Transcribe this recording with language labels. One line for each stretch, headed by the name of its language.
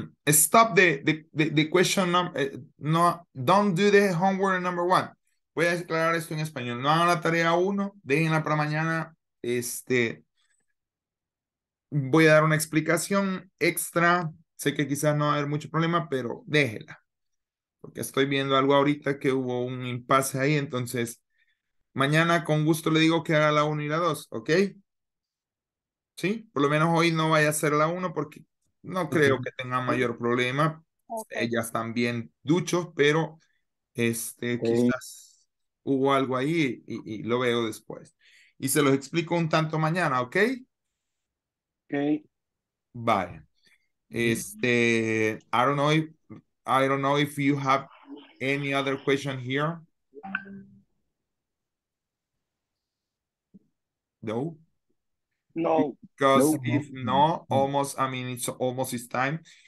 English: Stop the question no, don't do the homework number one.
Spanish: Voy a aclarar esto en español. No hagan la tarea uno, déjenla para mañana. Voy a dar una explicación extra. Sé que quizás no va a haber mucho problema, pero déjela. Porque estoy viendo algo ahorita que hubo un impasse ahí. Entonces, mañana con gusto le digo que haga la uno y la dos, ¿ok? Sí, por lo menos hoy no vaya a ser la uno porque no creo que tenga mayor problema. Okay. Ellas también duchos, pero quizás hubo algo ahí y lo veo después. Y se los explico un tanto mañana, ¿ok? Ok. Vale.
English: I don't know if you have any other question here. No. No, because if not, it's time.